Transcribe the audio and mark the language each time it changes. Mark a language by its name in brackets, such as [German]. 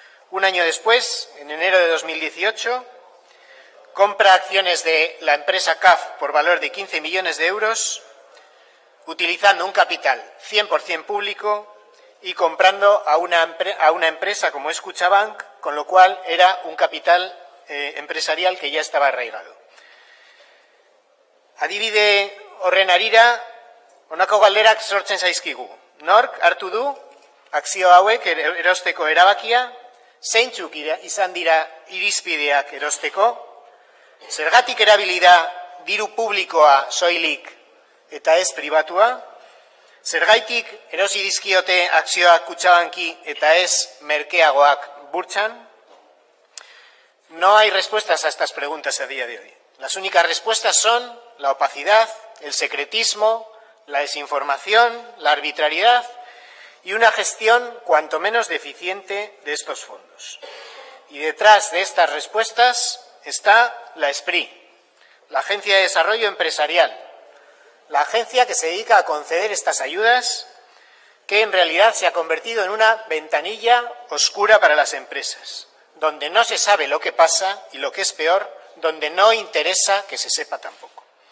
[Spanish] Un año después, en enero de 2018, compra acciones de la empresa CAF por valor de 15 millones de euros, utilizando un capital 100% público y comprando a una empresa como es Kutxabank, con lo cual era un capital empresarial que ya estaba arraigado. [Basque] Adibide horren harira, honako galderak sortzen zaizkigu. Nork hartu du akzio hauek erosteko erabakia, zeintzuk izan dira irizpideak erosteko, zergatik erabilida diru publikoa soilik eta ez pribatua? Zergaitik erosi dizkiote akzioak Kutxabanki eta ez merkeagoak burtsan? [Spanish] No hay respuestas a estas preguntas a día de hoy. Las únicas respuestas son la opacidad, el secretismo, la desinformación, la arbitrariedad y una gestión cuanto menos deficiente de estos fondos. Y detrás de estas respuestas está la ESPRI, la Agencia de Desarrollo Empresarial, la agencia que se dedica a conceder estas ayudas, que en realidad se ha convertido en una ventanilla oscura para las empresas, donde no se sabe lo que pasa y, lo que es peor, donde no interesa que se sepa tampoco.